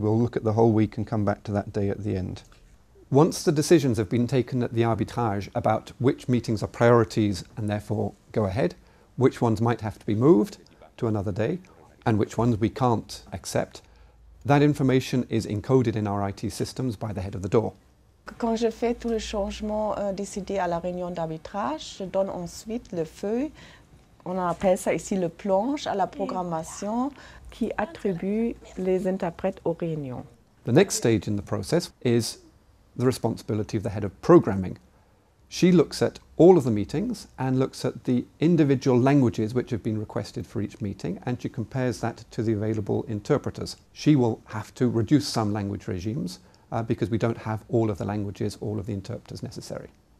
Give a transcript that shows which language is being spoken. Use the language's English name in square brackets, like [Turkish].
[English] We'll look at the whole week and come back to that day at the end. Once the decisions have been taken at the arbitrage about which meetings are priorities and therefore go ahead, which ones might have to be moved to another day, and which ones we can't accept, that information is encoded in our IT systems by the head of the DOOR. [French] Quand je fais tous les changements décidés à la réunion d'arbitrage, je donne ensuite le feuille, on appelle ça ici le planche, à la programmation qui attribue les interprètes aux réunions. [English] The next stage in the process is the responsibility of the head of programming. She looks at all of the meetings and looks at the individual languages which have been requested for each meeting, and she compares that to the available interpreters. She will have to reduce some language regimes because we don't have all of the languages, all of the interpreters necessary.